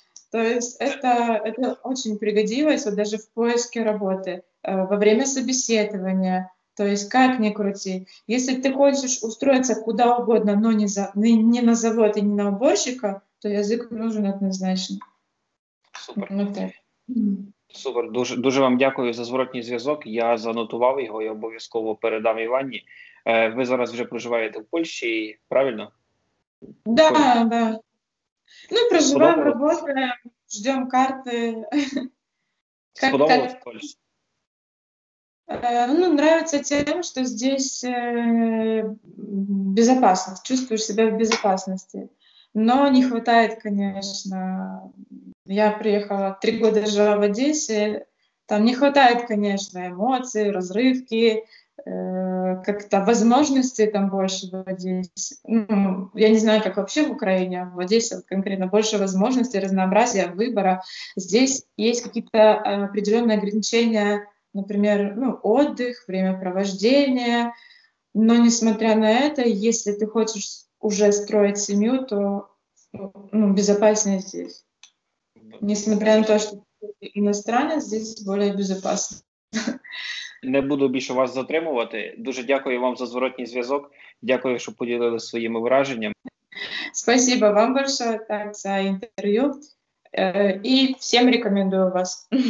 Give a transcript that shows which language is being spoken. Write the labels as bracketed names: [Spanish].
[Russian] То есть это очень пригодилось вот даже в поиске работы, во время собеседования. То есть как ни крути. Если ты хочешь устроиться куда угодно, но не на завод и не на уборщика, то язык нужен однозначно. Супер. Вот так. [Ukrainian] Супер, дуже, дуже вам дякую за зворотній зв'язок. Я занотував його і обов'язково передам Івані. Ви зараз вже проживаєте в Польщі, правильно? Так, да, так. Да. Ну, проживаємо, працюємо, чекаємо карти. Сподобалось в Польщі? [Russian] Ну, нравится тем, что здесь безопасно, чувствуешь себя в безопасности. Но не хватает, конечно. Я приехала, 3 года жила в Одессе. Там не хватает, конечно, эмоций, разрывки, как-то возможностей там больше в Одессе. Ну, я не знаю, как вообще в Украине, а в Одессе вот конкретно больше возможностей, разнообразия, выбора. Здесь есть какие-то определенные ограничения, например, ну, отдых, времяпровождение. Но несмотря на это, если ты хочешь уже строить семью, то, ну, безопаснее здесь. Несмотря на [Ukrainian] те, що іностранець, [Russian] здесь [Ukrainian] більш безпечно. Не буду більше вас затримувати. Дуже дякую вам за зворотній зв'язок. Дякую, що поділилися своїми враженнями. [Russian] Спасибо вам [Ukrainian] більше за інтерв'ю. І всім рекомендую вас.